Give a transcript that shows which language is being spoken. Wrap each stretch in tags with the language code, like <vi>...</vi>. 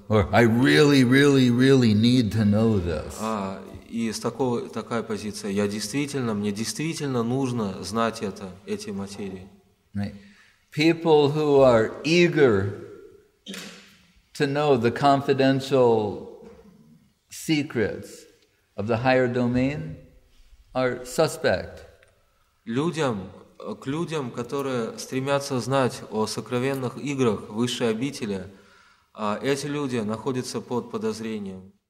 <en>Or I really, really, really need to know this.</en> <ru>И с такая позиция. Я действительно, мне действительно нужно знать это, эти материи.</ru> <en>Right. People who are eager to know the confidential secrets of the higher domain are suspect.</en> <ru>К людям, которые стремятся знать о сокровенных играх высшей обители, эти люди находятся под подозрением.</ru>